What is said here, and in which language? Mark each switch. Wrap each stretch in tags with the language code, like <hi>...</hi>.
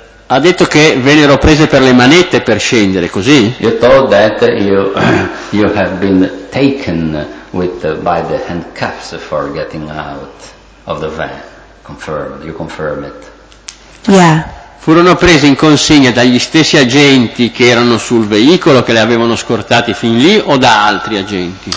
<it>Ha detto che vennero prese per le manette per scendere, così?</it> <en>You told that you have been taken by the handcuffs for getting out of the van. Confirmed. You confirm it. Yeah.</en> <it>Furono prese in consegna dagli stessi agenti che erano sul veicolo, che le avevano scortati fin lì, o da altri agenti?</it>